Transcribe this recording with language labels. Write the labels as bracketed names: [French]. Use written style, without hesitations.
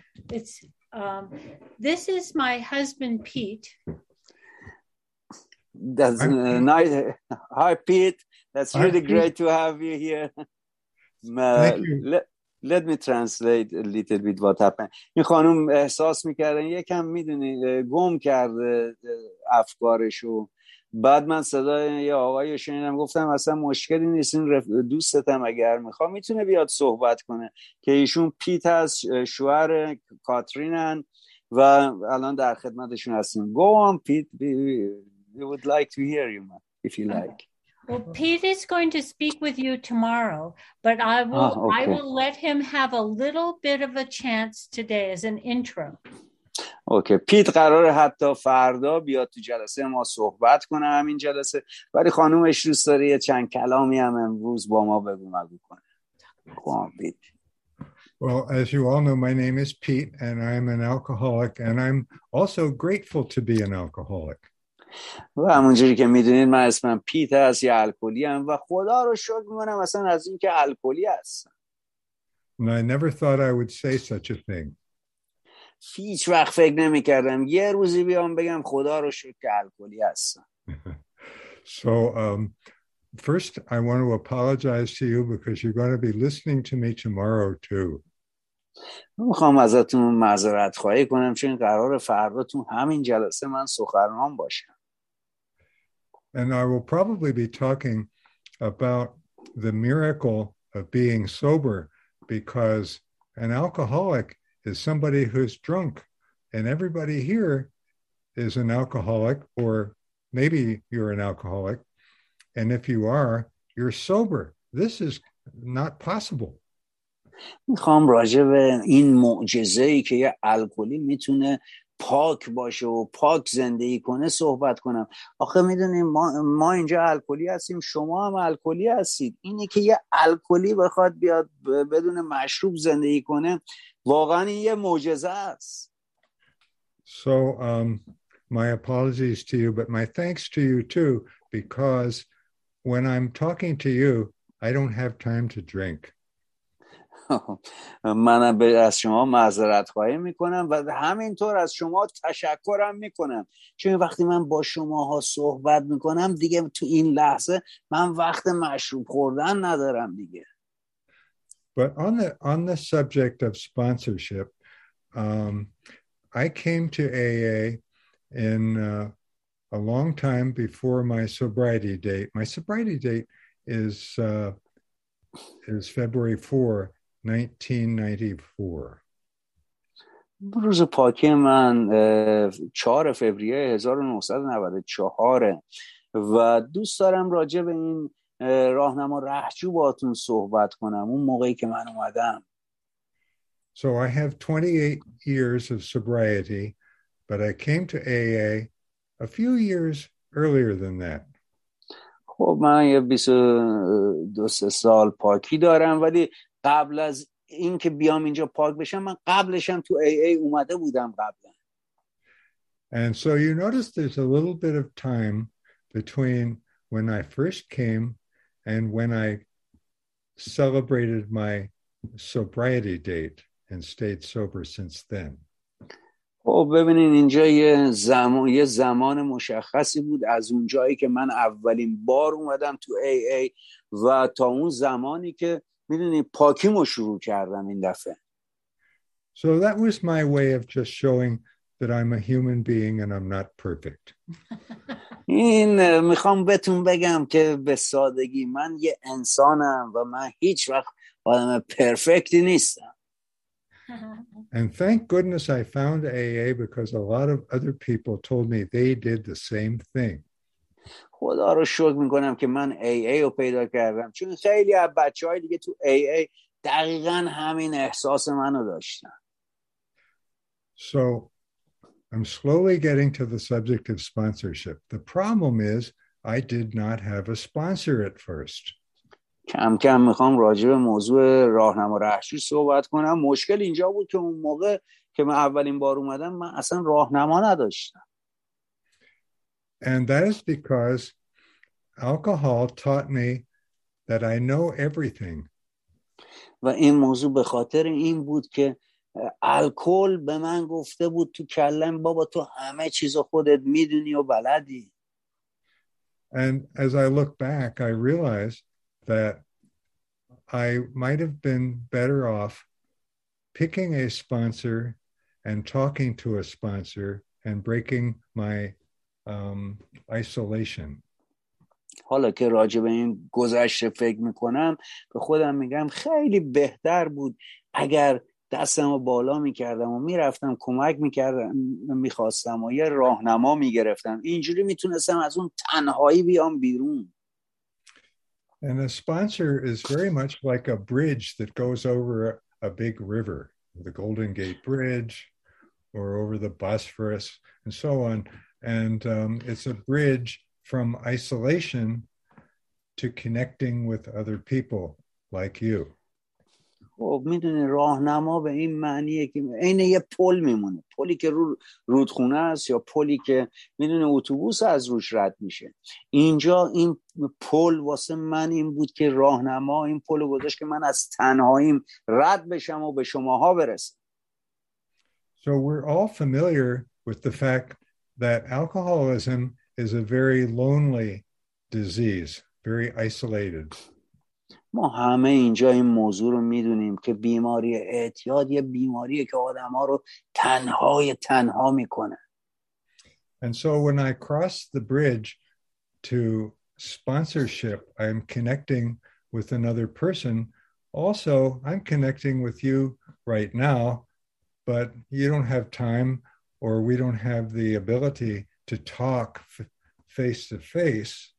[English] It's this is my husband Pete. That's nice. Hi Pete, that's Hi, really Pete. Great to have you here. Let me translate a little bit what happened. [Persian] این خانم احساس میکردن یکم میدونی گم کرده افکارشو. بعد من صدای یه آقای شنیدم، گفتم اصلا مشکلی نیست، این دوستتم اگر میخوا میتونه بیاد صحبت کنه، که ایشون پیت هست، شوهر کاترین هن و الان در خدمتشون هستیم. [English] Go on Pete, we would like to hear you man, if you like. Well, Pete is going to speak with you tomorrow, but I will let him have a little bit of a chance today as an intro. [Persian] Okay, Pete قراره حتی فردا بیاد تو جلسه ما صحبت کنه، همین جلسه، ولی خانومش دوست داره یه چند کلامی هم امروز با ما بگو مگو کنه. [English] Go on, Pete. Well, as you all know, my name is Pete and I'm an alcoholic and I'm also grateful to be an alcoholic. [Persian] و همونجوری که میدونید من اسمم پیت هست، یه الکلی هم، و خدا رو شکر میکنم اصلا از این که الکلی هست. [English] And I never thought I would say such a thing. [Persian] هیچ وقت فکر نمیکردم یه روزی بیام بگم خدا رو شکر که الکلی هست. [English] So first I want to apologize to you because you're going to be listening to me tomorrow too. [Persian] میخوام ازتون معذرت خواهی کنم چون قرار فرداتون همین جلسه من سخنران باشم. [English] And I will probably be talking about the miracle of being sober, because an alcoholic is somebody who's drunk, and everybody here is an alcoholic, or maybe you're an alcoholic, and if you are, you're sober. This is not possible. [Persian] میخوام راجع به این معجزه ای که یه الکلی میتونه پاک باشه و پاک زندگی کنه صحبت کنم. آخه میدونیم ما اینجا الکلی هستیم، شما هم الکلی هستید. اینه که یه الکلی بخواد بیاد بدون مشروب زندگی کنه، واقعا این یه معجزه است. [English] So my apologies to you, but my thanks to you too, because when I'm talking to you, I don't have time to drink. [Persian] منم از شما معذرت خواهی میکنم و همینطور از شما تشکرم میکنم، چون وقتی من با شماها صحبت میکنم دیگه تو این لحظه من وقت مشروب خوردن ندارم دیگه. [English] But on the subject of sponsorship, I came to AA in a long time before my sobriety date. My sobriety date is February 4, 1994. [Persian] روز پاکی من 4 فوریه 1994 و دوست دارم راجع به این راهنما رهجو باهاتون صحبت کنم اون موقعی که من اومدم. [English] So I have 28 years of sobriety, but I came to AA a few years earlier than that. [Persian] خب من یه 22 سال پاکی دارم ولی قبل از این که بیام اینجا پاک بشم من قبلشم تو AA اومده بودم قبلا. [English] And so you notice there's a little bit of time between when I first came and when I celebrated my sobriety date and stayed sober since then. [Persian] خب ببینین اینجا یه زمان مشخصی بود از اونجایی که من اولین بار اومدم تو AA و تا اون زمانی که میدونی پاکیمو شروع کردم این دفعه. [English] So that was my way of just showing that I'm a human being and I'm not perfect. [Persian] این میخوام بهتون بگم که به سادگی من یه انسانم و من هیچ وقت آدم پرفکتی نیستم. [English] And thank goodness I found AA because a lot of other people told me they did the same thing. [Persian] خدا رو شکر میکنم که من AA رو پیدا کردم چون خیلی از بچهای دیگه تو AA دقیقاً همین احساس منو داشتن. [English] So I'm slowly getting to the subject of sponsorship. The problem is I did not have a sponsor at first. [Persian] کم کم میخوام راجع به موضوع راهنما رهجو صحبت کنم. مشکل اینجا بود که اون موقع که من اولین بار اومدم من اصلا راهنما نداشتم. [English] And that is because alcohol taught me that I know everything. [Persian] و این موضوع به خاطر این بود که الکل به من گفته بود تو کلم بابا تو همه چیزو خودت میدونی و بلدی. [English] And as I look back I realize that I might have been better off picking a sponsor and talking to a sponsor and breaking my isolation. [Persian] حالا که راجع به این گذشته فکر میکنم به خودم میگم خیلی بهتر بود اگر دستم رو بالا میکردم و میرفتم کمک میکردم میخواستم و یه راهنما میگرفتم اینجوری میتونستم از اون تنهایی بیام بیرون. [English] And a sponsor is very much like a bridge that goes over a big river, the Golden Gate Bridge, or over the Bosphorus, and so on. And it's a bridge from isolation to connecting with other people like you. [Persian] خب میدونی راهنما به این معنیه که عین یه پل میمونه. پلی که رو رودخونه است یا پلی که میدونی اتوبوس از روش رد میشه. اینجا این پل واسه من این بود که راهنما این پل رو گذاشت که من از تنهاییم رد بشم و به شماها برسم. [English] So we're all familiar with the fact that alcoholism is a very lonely disease, very isolated. [Persian] ما همه اینجا این موضوع رو میدونیم که بیماری اعتیاد یه بیماریه که آدم ها رو تنهای تنها میکنه. [English] And so when I cross the bridge to sponsorship, I'm connecting with another person. Also, I'm connecting with you right now, but you don't have time or we don't have the ability to talk face to face.